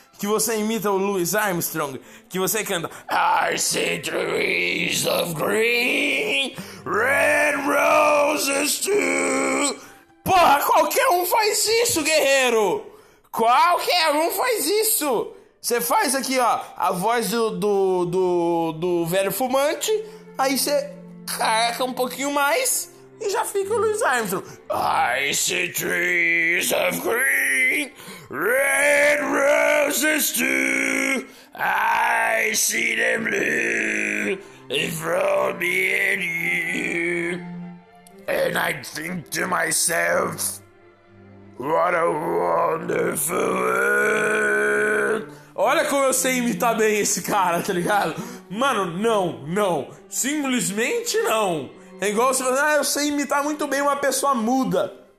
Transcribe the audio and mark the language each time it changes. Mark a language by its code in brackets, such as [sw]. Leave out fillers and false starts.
[pt] Que você imita o Louis Armstrong, que você canta [en] I see trees of green, red roses too. [pt] Porra, qualquer um faz isso, guerreiro. Qualquer um faz isso. Você faz aqui, ó, a voz do velho fumante. Aí você carca um pouquinho mais e já fica o Louis Armstrong. [en] I see trees of green, red roses too, I see them blue from me and you, and I think to myself, what a wonderful world. [pt] Olha como eu sei imitar bem esse cara, tá ligado? Mano, não, não, simplesmente não. É igual você falar, ah, eu sei imitar muito bem uma pessoa muda.